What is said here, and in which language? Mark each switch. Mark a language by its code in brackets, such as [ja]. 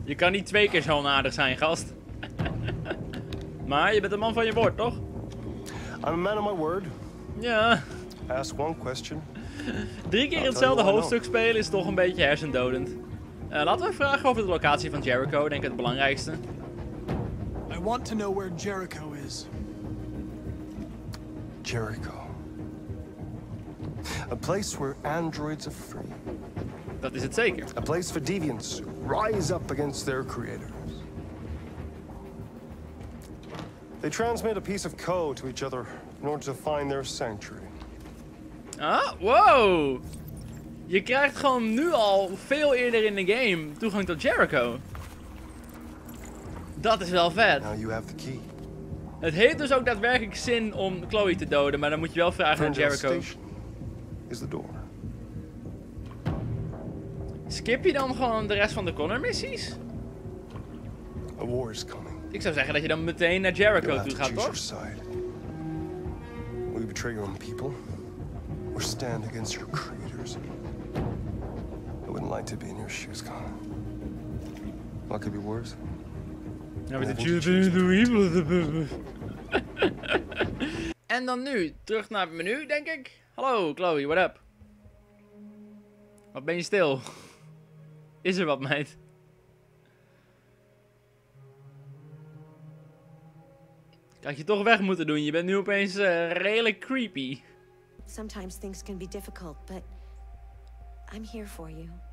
[nl] Je kan niet twee keer zo onaardig zijn, gast. Maar je bent een man van je woord, toch? [en] I'm a man of my word. [nl] Ja. [en] Ask one question. [nl] Drie keer hetzelfde hoofdstuk spelen is toch een beetje hersendodend. Laten we vragen over de locatie van Jericho, denk ik het belangrijkste. [en] I want to know where Jericho is. Jericho. A place where androids are free. [nl] Dat is het zeker. [en] A place for deviants rise up against their creators. They transmit a piece of code to each other in order to find their sanctuary. Ah, wow! [nl] Je krijgt gewoon nu al veel eerder in de game toegang tot Jericho. Dat is wel vet. [en] Now you have the key. [nl] Het heeft dus ook daadwerkelijk zin om Chloe te doden, maar dan moet je wel vragen aan Jericho. [en] Is the door. [nl] Skip je dan gewoon de rest van de Connor missies? [en] A war is coming. [nl] Ik zou zeggen dat je dan meteen naar Jericho [en] You'll [nl] toe [en] have to choose [nl] toch? [en] Your side. Will you betray your own people? Or stand against your creators? I wouldn't like to be in your shoes, Connor. What could be worse? [nl] Nou, met de Jupiter. En dan nu, terug naar het menu, denk ik. Hallo, Chloe, [en] what up? [nl] Wat ben je stil? Is er wat, meid? Ik had je toch weg moeten doen. Je bent nu opeens redelijk creepy. [en] Sometimes things can be difficult, but I'm here for you.